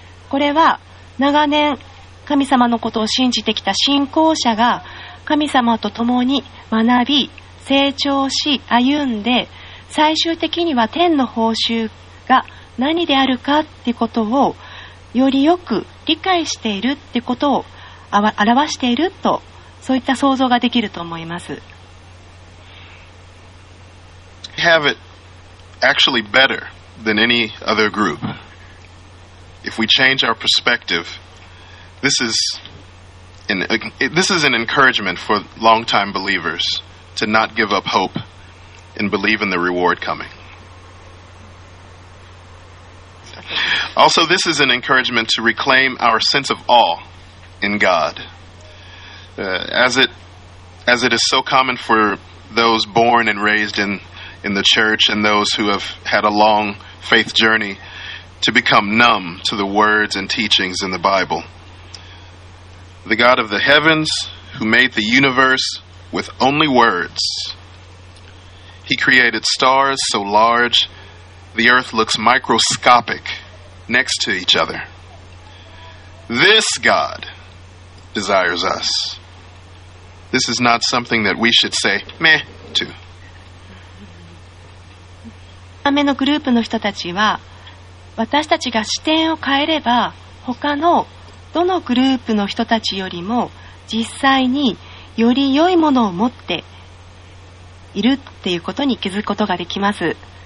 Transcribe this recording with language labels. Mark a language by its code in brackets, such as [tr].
[ja] これは長年神様のことを信じてきた信仰者が神様と共に学び成長し歩んで、最終的には天の報酬が何であるかってことをよりよく理解しているってことを表していると、そういった想像ができると思います。 [en] We have it actually better than any other group. If we change our perspective, this is an encouragement for long-time believers to not give up hope and believe in the reward coming. Also, this is an encouragement to reclaim our sense of awe. In God, as it is so common for those born and raised in the church and those who have had a long faith journey to become numb to the words and teachings in the Bible. The God of the heavens, who made the universe with only words, He created stars so large the earth looks microscopic next to each other. This God. Desires us. This is not something that we should say meh to. [ja] 2番目のグループの人たちは、私たちが視点を変えれば、他のどのグループの人たちよりも実際により良いものを持っているっていうことに気づくことができます。